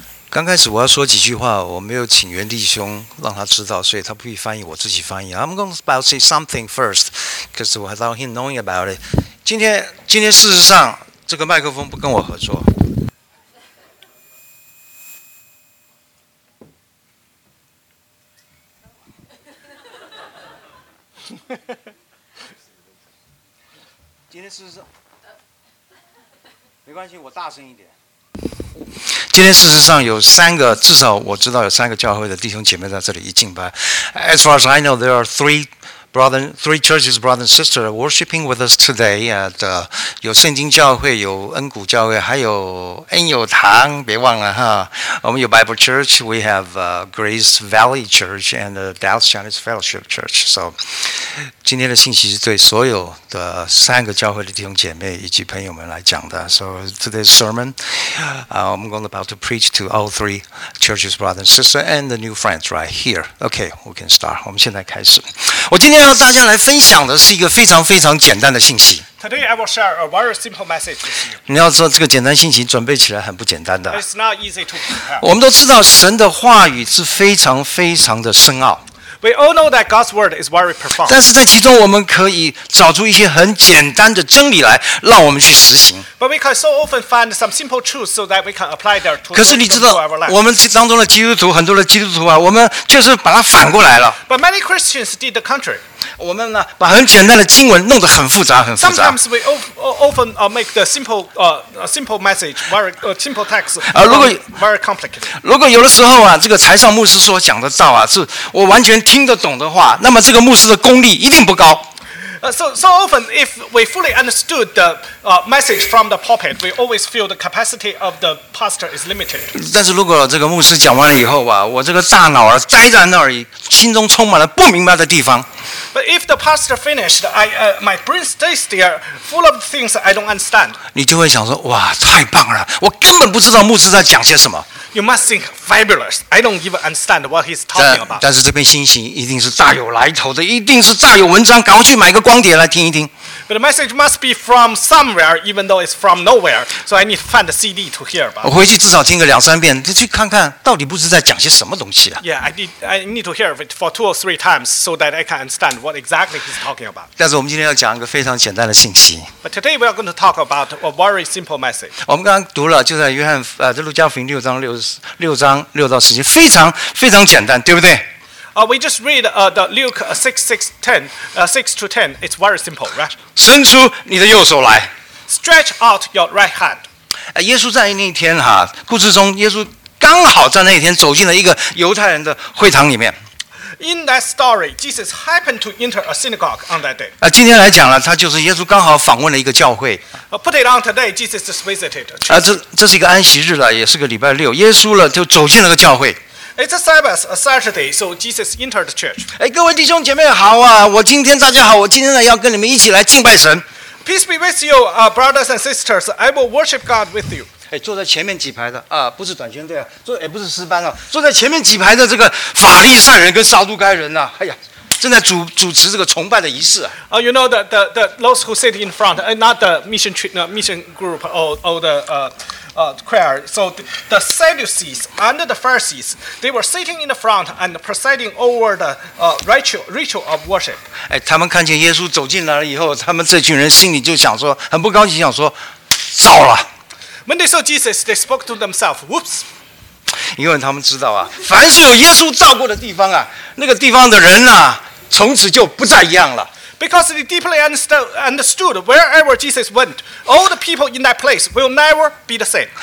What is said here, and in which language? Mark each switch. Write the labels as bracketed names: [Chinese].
[Chinese] 刚开始我要说几句话，我没有请袁弟兄让他知道，所以他不必翻译，我自己翻译。 [English] I'm going to say something first, because without him knowing about it. [Chinese] 今天事实上这个麦克风不跟我合作。今天事实上，没关系，我大声一点。今天事实上有三个，至少我知道有三个教会的弟兄姐妹在这里一敬拜。 [English] As far as I know, there are three churches, brothers and sisters worshiping with us today at [Chinese] 有圣经教会，有恩谷教会，还有恩友堂，别忘了哈。我们有 [English] Bible Church, we have Grace Valley Church and Dallas Chinese Fellowship Church. [Chinese] So, 今天的信息是对所有的三个教会的弟兄姐妹以及朋友们来讲的。 [English] So today's sermon, I'm going about to preach to all three churches, brothers and sisters, and the new friends right here. Okay, we can start. [Chinese] 我们现在开始。今天要大家来分享的是一个非常非常简单的信息。 [English] Today I will share a very simple message with you. [Chinese] 你要知道这个简单信息准备起来很不简单的。 [English] It's not easy to prepare. [Chinese] 我们都知道神的话语是非常非常的深奥。 [English] We all know that God's word is very profound. [Chinese] 但是在其中我们可以找出一些很简单的真理来让我们去实行。 [English] But we can so often find some simple truths so that we can apply them to our lives. [Chinese] 可是你知道我们当中的基督徒，很多的基督徒啊，我们就是把它反过来了。 [English] But many Christians did the contrary. [Chinese] 我们呢把很简单的经文弄得很复杂很复杂。 [English] Sometimes we often make the simple message simple text very complicated. [Chinese] 如果有的时候啊，这个台上牧师所讲的道啊，是我完全听得懂的话，那么这个牧师的功力一定不高。 [English] So often, if we fully understood the message from the pulpit, we always feel the capacity of the pastor is limited. [Chinese] 但是如果这个牧师讲完了以后吧，我这个大脑儿呆在那里，心中充满了不明白的地方。 [English] But if the pastor finished, my brain stays there, full of things I don't understand. [Chinese] 你就会想说，哇，太棒了，我根本不知道牧师在讲些什么。 [English] You must think fabulous. I don't even understand what he's talking about. [Chinese] 但是这篇信息一定是大有来头的，一定是大有文章。赶快去买个光碟来听一听。 [English] But the message must be from somewhere, even though it's from nowhere. So I need to find the CD to hear about. [Chinese] 我回去至少听个两三遍，去看看到底牧师在讲些什么东西啊。 [English] Yeah, I need to hear it for two or three times so that I can understand what exactly he's talking about. [Chinese] 但是我们今天要讲一个非常简单的信息。 [English] But today we are going to talk about a very simple message. [Chinese] 我们刚刚读了，就在约翰这路加福音六章六到十节，非常非常简单，对不对？ [English] We just read the Luke 6 to 10. It's very simple, right? [Chinese] 伸出你的右手来。 [English] Stretch out your right hand. [Chinese] 耶稣在那天哈，故事中耶稣刚好在那天走进了一个犹太人的会堂里面。 [English] In that story, Jesus happened to enter a synagogue on that day. [Chinese] 今天来讲了，他就是耶稣刚好访问了一个教会。 [English] Put it on today, Jesus just visited. [Chinese] 这是一个安息日了，也是个礼拜六，耶稣了就走进了个教会。 [English] It's a Sabbath, a Saturday, so Jesus entered the church. [Chinese] 各位弟兄姐妹好啊，我今天要跟你们一起来敬拜神。 [English] Peace be with you, brothers and sisters. I will worship God with you. [Chinese] 坐在前面几排的啊，不是短宣队啊，不是诗班啊，坐在前面几排的这个法利赛人跟撒都该人啊，哎呀，正在主持这个崇拜的仪式啊。 [English] You know the those who sit in front, not the mission group or the choir. So the Sadducees and the Pharisees, they were sitting in the front and presiding over the ritual of worship. [Chinese] 他们看见耶稣走进来了以后，他们这群人心里就想说，很不高兴，想说，糟了。 [English] When they saw Jesus, they spoke to themselves. Whoops! [Chinese] 因为他们知道啊，凡是有耶稣到过的地方啊，那个地方的人啊，从此就不再一样了。 [English] Because they deeply understood wherever Jesus went, all the people in that place will never be the same.